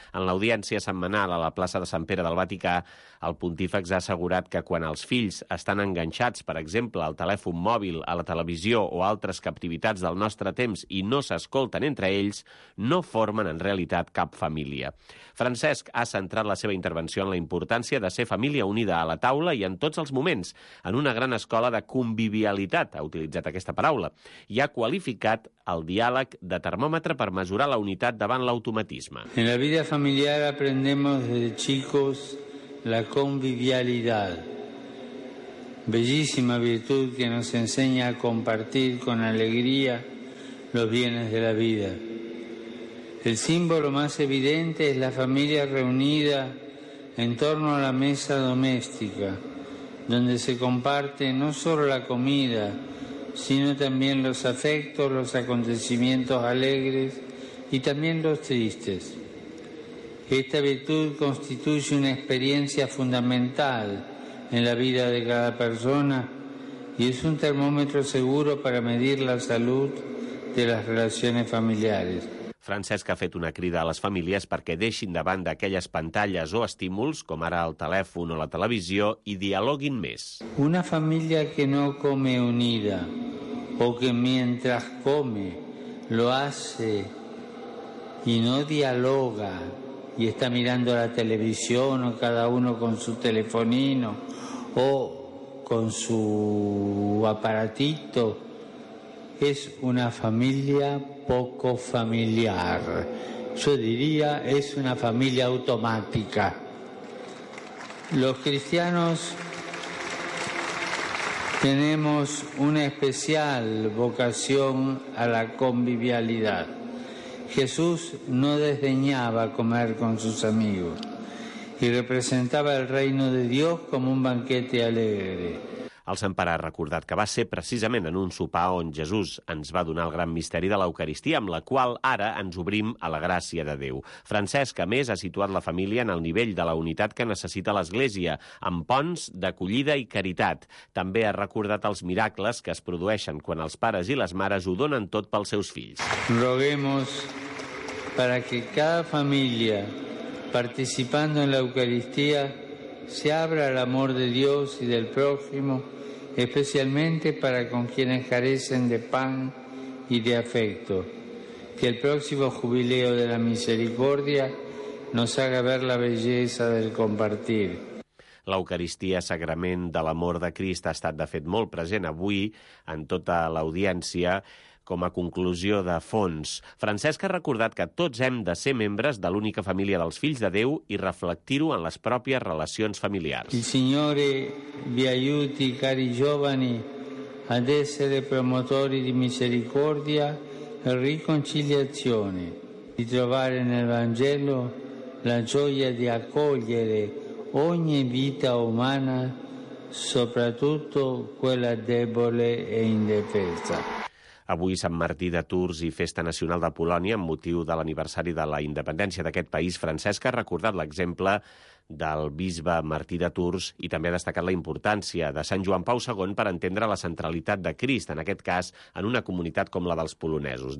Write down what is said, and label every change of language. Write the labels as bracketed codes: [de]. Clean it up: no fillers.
[ca] En l'audiència setmanal a la plaça de Sant Pere del Vaticà, el pontífex ha assegurat que quan els fills estan enganxats, per exemple, al telèfon mòbil, a la televisió o altres captivitats del nostre temps i no s'escolten entre ells, no formen en realitat cap família. Francesc ha centrat la seva intervenció en la importància de ser família unida a la taula i en tots els moments, en una gran escola de convivialitat. Ha utilitzat aquesta paraula, i ha qualificat el diàleg de termòmetre per mesurar la unitat davant l'automatisme. [es] En la vida familiar aprendemos desde chicos la convivialidad, bellísima virtud que nos enseña a compartir con alegría los bienes de la vida. El símbolo más evidente es la familia reunida en torno a la mesa doméstica, donde se comparte no solo la comida, sino también los afectos, los acontecimientos alegres y también los tristes. Esta virtud constituye una experiencia fundamental en la vida de cada persona y es un termómetro seguro para medir la salud de las relaciones familiares. [ca] Francesc ha fet una crida a les famílies perquè deixin de banda aquelles pantalles o estímuls, com ara el telèfon o la televisió, i dialoguin més. [es] Una família que no come unida o que mientras come lo hace y no dialoga y está mirando la televisión o cada uno con su telefonino o con su aparatito es una familia poco familiar. Yo diría, es una familia automática. Los cristianos tenemos una especial vocación a la convivialidad. Jesús no desdeñaba comer con sus amigos y representaba el reino de Dios como un banquete alegre. [ca] El Sant Pare ha recordat que va ser precisament en un sopar on Jesús ens va donar el gran misteri de l'Eucaristia, amb la qual ara ens obrim a la gràcia de Déu. Francesc, a més, ha situat la família en el nivell de la unitat que necessita l'Església, amb ponts d'acollida i caritat. També ha recordat els miracles que es produeixen quan els pares i les mares ho donen tot pels seus fills. [es] Roguemos para que cada família, participando en la Eucaristía, se abra el amor de Dios y del prójimo, especialmente para con quienes carecen de pan y de afecto. Que el próximo jubileo de la misericordia nos haga ver la belleza del compartir. [ca] L'Eucaristia, sagrament de l'amor de Crist, ha estat, de fet, molt present avui en tota l'audiència. Com a conclusió de fons, Francesc ha recordat que tots hem de ser membres de l'única família dels fills de Déu i reflectir-ho en les pròpies relacions familiars. [it] Il Signore vi aiuti, cari giovani, ad essere promotori di misericordia e riconciliazione, di trovare nel Vangelo la gioia di accogliere ogni vita umana, soprattutto quella debole e indefesa. [ca] Avui, Sant Martí de Tours i Festa Nacional de Polònia, amb motiu de l'aniversari de la independència d'aquest país, Francesc ha recordat l'exemple del bisbe Martí de Tours i també ha destacat la importància de Sant Joan Pau II per entendre la centralitat de Crist, en aquest cas, en una comunitat com la dels polonesos.